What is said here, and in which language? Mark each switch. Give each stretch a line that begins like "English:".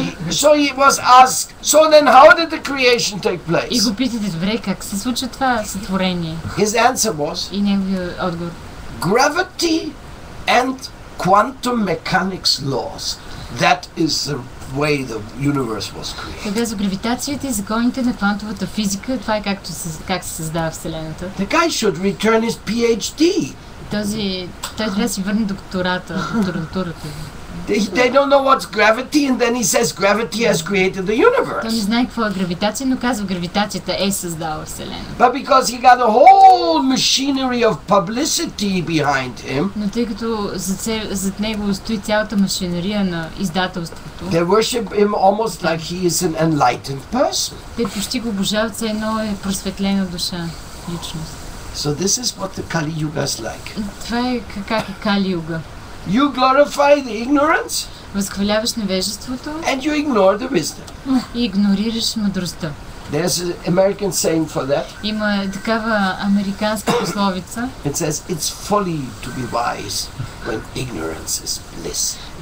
English: So he was asked, so then how did the creation take place?
Bulgarian: И го питате, добре, как се случва това сътворение?
English: His answer was,
Bulgarian: и неговият отговор,
English: gravity and quantum mechanics laws. That is the way the universe was created.
Bulgarian: Тогава за гравитацията и законите на квантовата физика, това е как се създава Вселената.
English: The guy should return his PhD.
Bulgarian: Той трябва да си върне докторатурата.
English: They don't know what's gravity, and then he says gravity has created the universe.
Bulgarian: Той не знае какво е гравитация, но казва гравитацията е създала Вселената.
English: But because he got a whole machinery of publicity behind him.
Bulgarian: Но тъй като зад него стои цялата машинерия на издателството.
English: They worship him almost like he is an enlightened person.
Bulgarian: Те почти го обожават, все едно е просветлена душа, личност.
English: So this is what the Kali Yuga is like.
Bulgarian: Това е как е Кали Юга.
English: You glorify the ignorance?
Bulgarian: Възхваляваш невежеството?
English: And you ignore the wisdom.
Bulgarian: И игнорираш мъдростта.
English: There's an American saying for that.
Bulgarian: Има такава американска пословица.
English: It says it's folly to be wise when ignorance is bliss.